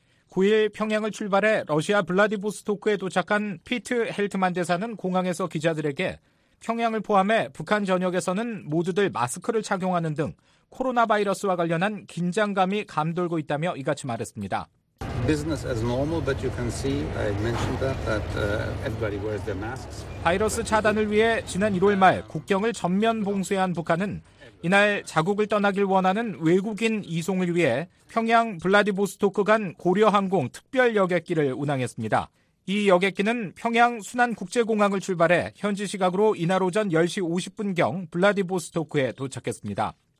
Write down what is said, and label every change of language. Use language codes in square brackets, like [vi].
[ko] 9일 평양을 출발해 러시아 블라디보스토크에 도착한 피트 헬트만 대사는 공항에서 기자들에게 평양을 포함해 북한 전역에서는 모두들 마스크를 착용하는 등 코로나 바이러스와 관련한 긴장감이 감돌고 있다며 이같이 말했습니다. [en] Business as normal, but you can see, I mentioned that, that everybody wears their masks. [ko] 바이러스 차단을 위해 지난 1월 말 국경을 전면 봉쇄한 북한은 이날 자국을 떠나길 원하는 외국인 이송을 위해 평양 블라디보스토크 간 고려항공 특별 여객기를 운항했습니다. 이 여객기는 평양 순안국제공항을 출발해 현지 시각으로 이날 오전 10시 50분경 블라디보스토크에 도착했습니다.